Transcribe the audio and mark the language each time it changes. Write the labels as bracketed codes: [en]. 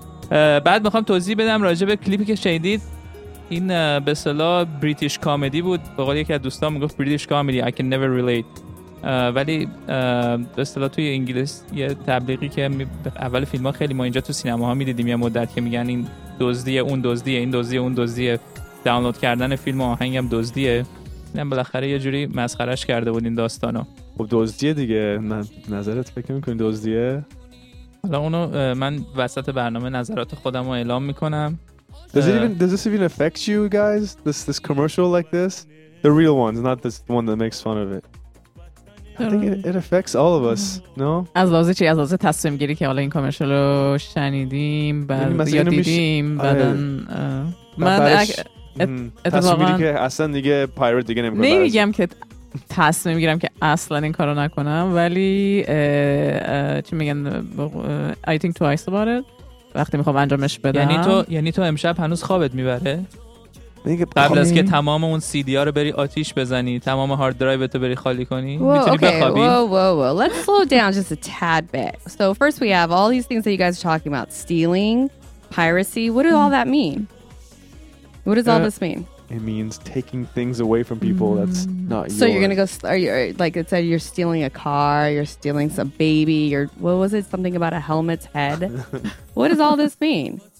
[fa] بعد میخوام توضیح بدم راجع به کلیپی که شنیدید. این به اصطلاح بریتیش کامیدی بود، به قول یکی از دوستان میگفت بریتیش کامیدی، [en] I can never relate، [fa] ولی به اصطلاح توی انگلیس یه تبلیغی که اول فیلم ها خیلی ما اینجا تو سینما ها میدیدیم یه مدت که میگن این دزدیه، اون دزدیه، این دزدیه، اون دزدیه، دانلود کردن فیلم و آهنگ هم دزدیه. اینم بالاخره یه جوری مسخرهش کرده بود این داستانو. خب دزدیه دیگه، نظرت فکر میکنی دزدیه؟ حالا اونو من وسط برنامه نظرات خودم رو اعلام میکنم. [en] Does this even affect you guys? This commercial like this? The real ones, not this one that makes fun of it. I think it affects all of us, no? [fa] از لحاظ چی؟ از لحاظ تصمیم گیری که حالا این کامرشل رو شنیدیم بعد یا دیدیم بعدن من تصمیم گیری که اصلا دیگه پایرت دیگه نمیکنم. نمیگم که تصمیم میگیرم که اصلا این کارو نکنم، ولی چی میگن [en] I think twice about it [fa] وقتی میخوام انجامش بدم. یعنی تو امشب هنوز خوابت میبره قبل از که تمام اون سی دی ها رو بری آتیش بزنی، تمام هارد درایو تو بری خالی کنی، میتونی بخوابی؟ [en] Whoa. Let's slow down just a tad bit. So first we have all these things that you guys are talking about, stealing, piracy. What does all that mean? What does all this mean? It means taking things away from people that's not yours. So you're gonna go? Are you like it said? You're stealing a car. You're stealing some baby. You're what was it? Something about a helmet's head. What does all this mean?